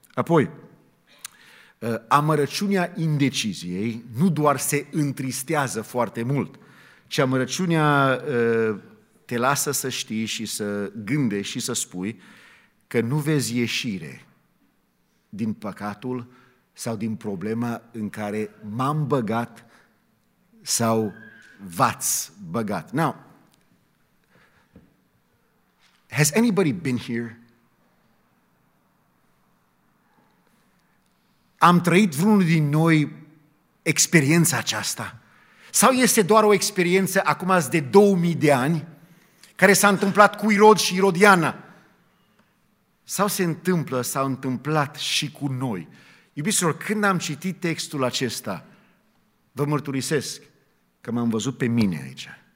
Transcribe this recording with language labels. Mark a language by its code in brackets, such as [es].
[ro] Apoi, amărăciunea indeciziei nu doar se întristează foarte mult, ci amărăciunea te lasă să știi și să gândești și să spui că nu vezi ieșire din păcatul sau din problema în care m-am băgat sau v-ați băgat. [en] Now, has anybody been here? [ro] Am trăit vreunul din noi experiența aceasta? Sau este doar o experiență acum azi de 2000 de ani care s-a întâmplat cu Irod și Irodiana? Sau se întâmplă, s-a întâmplat și cu noi? Iubiților, când am citit textul acesta, vă mărturisesc că m-am văzut pe mine aici.